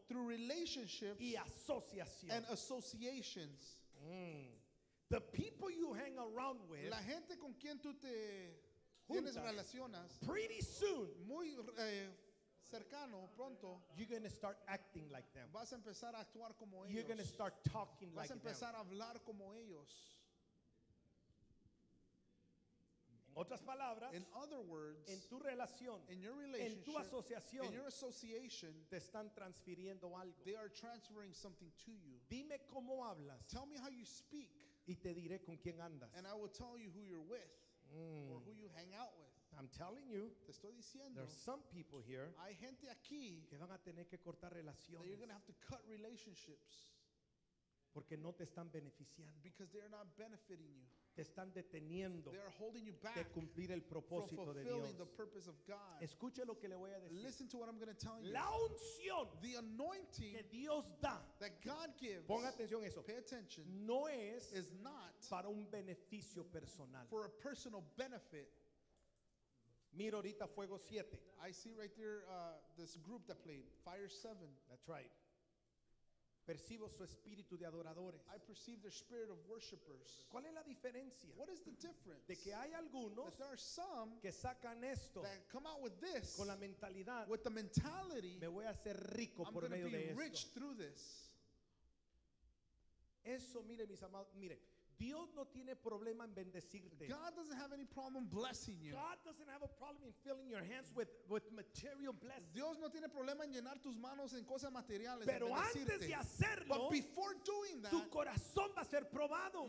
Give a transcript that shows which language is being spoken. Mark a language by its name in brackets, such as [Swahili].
[English] through relationships, [Spanish] y asociación, [English] and associations. The people you hang around with, [Spanish] la gente con quien tú te tienes relacionas, [English] pretty soon, [Spanish] muy cercano, pronto, [English] you're going to start acting like them. [Spanish] Vas a empezar a actuar como ellos. [English] You're going to start talking [Spanish] vas [English] like [Spanish] a empezar [English] them. [Spanish] A hablar como ellos. En otras palabras, [English] in other words, [Spanish] en tu relación, [English] in your relationship, [Spanish] en tu asociación, [English] in your association, [Spanish] te están transfiriendo algo. [English] They are transferring something to you. [Spanish] Dime cómo hablas. [English] Tell me how you speak. [Spanish] Y te diré con quién andas. [English] And I will tell you who you're with. Or who you hang out with. I'm telling you, [Spanish] te estoy diciendo, [English] there are some people here, [Spanish] hay gente aquí, que van a tener que cortar relaciones, [English] that you're going to have to cut relationships. [Spanish] Porque no te están beneficiando. [English] Because they're not benefiting you. [Spanish] Te están deteniendo. [English] They are holding you back [Spanish] de cumplir el propósito [English] from fulfilling [Spanish] de Dios. [English] The purpose of God. [Spanish] Escuche lo que le voy a decir. [English] Listen to what I'm going to tell you. [Spanish] La unción, [English] the anointing [Spanish] que Dios da, [English] that God gives, [Spanish] ponga atención a eso, [English] pay attention, [Spanish] no es [English] is not [Spanish] para un beneficio personal. [English] For a personal benefit. [Spanish] Mira ahorita Fuego 7. [English] I see right there this group that played Fire 7. That's right. [Spanish] Percibo su espíritu de adoradores. [English] I perceive their spirit of worshipers. [Spanish] ¿Cuál es la diferencia? [English] What is the difference? [Spanish] De que hay algunos [English] that there are some [Spanish] que sacan esto [English] that come out with this [Spanish] con la mentalidad. [English] With the mentality, [Spanish] me voy a hacer rico [English] I'm [Spanish] por medio de esto. [English] I'm going to be rich through this. [Spanish] Eso, mire, mis amados, mire. Dios no tiene problema en bendecirte. [English] God doesn't have any problem blessing you. God doesn't have a problem in filling your hands with material blessings. [Spanish] Dios no tiene problema en llenar tus manos en cosas materiales. Pero antes de hacerlo, [English] but before doing that, [Spanish] tu corazón va a ser probado.